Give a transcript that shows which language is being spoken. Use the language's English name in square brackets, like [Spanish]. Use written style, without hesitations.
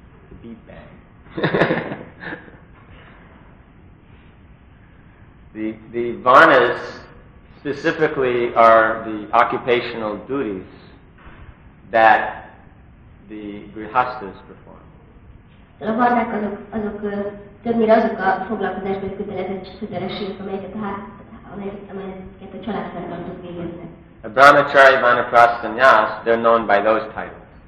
[English] The beep bang. The varnas specifically are the occupational duties that the grihasthas perform. [Hungarian] A varnák azok többnyire azok a foglalkozásban kötelezettségek, amelyeket a családfenntartók végeznek. [English] A brahmachari, vanaprastha, nyász, they're known by those titles.